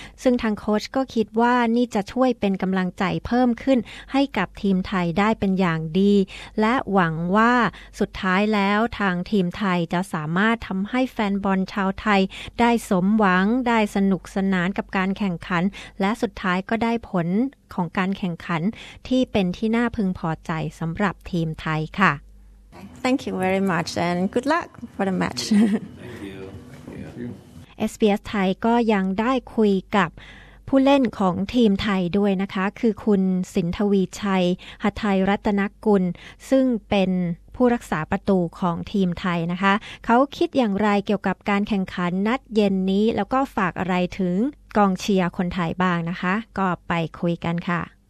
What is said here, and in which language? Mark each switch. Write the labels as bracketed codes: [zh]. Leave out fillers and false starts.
[th] ซึ่งทางโค้ชก็คิดว่านี่จะช่วยเป็นกำลังใจเพิ่มขึ้นให้กับทีมไทยได้เป็นอย่างดีและหวังว่าสุดท้ายแล้วทางทีมไทยจะสามารถทำให้แฟนบอลชาวไทยได้สมหวังได้สนุกสนานกับการแข่งขันและสุดท้ายก็ได้ผลของการแข่งขันที่เป็นที่น่าพึงพอใจสำหรับทีมไทยค่ะ [en] Thank you very much and good luck for the match. Thank you. [th] SBS ไทยก็ยังได้คุยกับผู้เล่นของทีมไทยด้วยนะคะคือคุณสินทวีชัยหทัยรัตนกุลซึ่งเป็นผู้รักษาประตูของทีมไทยนะคะเขาคิดอย่างไรเกี่ยวกับการแข่งขันนัดเย็นนี้แล้วก็ฝากอะไรถึงกองเชียร์คนไทยบ้างนะคะก็ไปคุยกันค่ะ